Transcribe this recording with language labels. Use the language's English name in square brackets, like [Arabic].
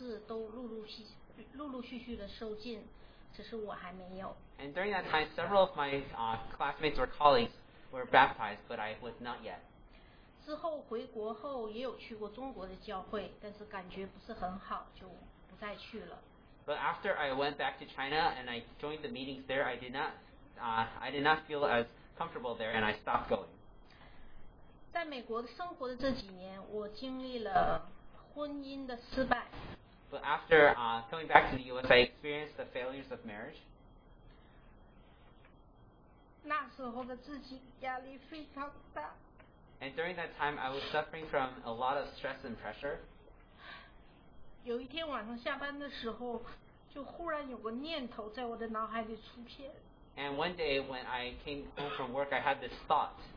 [Chinese] 那会儿身边的朋友和同事都陆陆续续地受浸, 只是我还没有。 [English] And during that time, several of my classmates or colleagues were baptized, but I was not yet. [Chinese] 之后回国后也有去过中国的教会, 但是感觉不是很好,就不再去了。 [English] But after I went back to China and I joined the meetings there, I did not feel as comfortable there, and I stopped going. [Chinese] 在美国生活的这几年，我经历了婚姻的失败。 [English] But after coming back to the U.S., I experienced the failures of marriage. [Chinese] 那时候的自己压力非常大。And [English] during that time, I was suffering from a lot of stress and pressure. [Chinese] 有一天晚上下班的时候。就忽然有个念头在我的脑海里出现 [English] And one day when I came home from work I had this thought